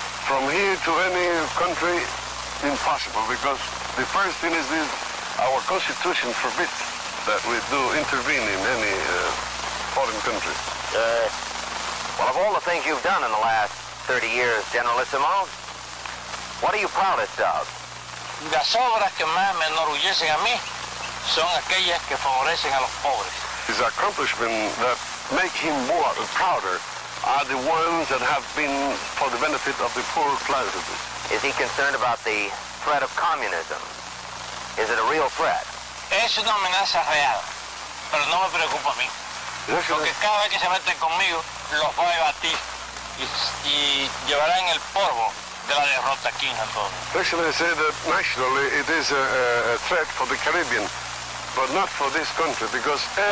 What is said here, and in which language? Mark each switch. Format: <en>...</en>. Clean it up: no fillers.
<en>From here to any country, impossible, because the first thing is this, our constitution forbids that we do intervene in any foreign country. Well, of all the things you've done in the last 30 years, Generalissimo, what are you proudest of?</en> <es>Las obras que más me enorgullecen a mí son aquellas que favorecen a los pobres.</es> <en>His accomplishments that make him more prouder are the ones that have been for the benefit of the poor classes. Is he concerned about the threat of communism? Is it a real threat?</en> <es>Es una amenaza real, pero no me preocupa a mí. Porque cada vez que se meten conmigo, los voy a batir y llevarán el polvo de la derrota aquí en Santo Domingo.</es> <en>Actually, I say that nationally it is a threat for the Caribbean. But not for this country, because</en>